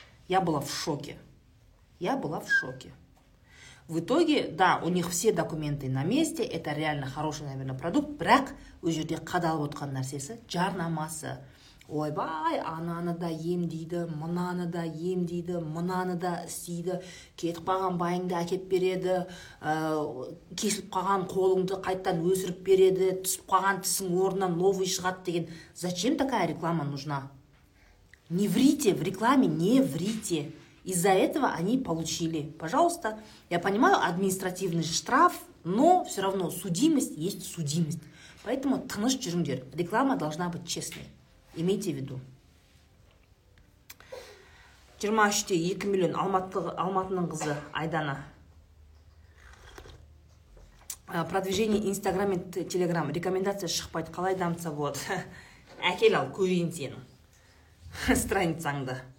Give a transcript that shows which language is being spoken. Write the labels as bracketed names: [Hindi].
[Russian] Я была в шоке. Я была в шоке. В итоге, да, у них все документы на месте, это реально хороший, наверное, продукт, [Kazakh] бірақ ол жерде қадалып отқан нәрсесі жарнамасы. Ойбай, ананы да емдейді, мынаны да емдейді, мынаны да істейді, кетіп қалған байыңды әкеп береді, кесіліп қалған қолыңды қайттан өсіріп береді, түсіп қалған тісің орнынан новый шығады деген. [Russian] Зачем такая реклама нужна? Не врите, в рекламе не врите. Из-за этого они получили. Пожалуйста, я понимаю административный штраф, но все равно судимость есть судимость. Поэтому [Kazakh] тыныш жүріңдер, [Russian] реклама должна быть честной. Имейте в виду. [Kazakh] 23-те 2 миллион Алматының қызы Айдана. [Russian] Продвижение Instagram и Telegram. [Kazakh] Рекомендация шықпайды. Қалай дамытса болады. Әкел ал көйін сенің. Страницаңды.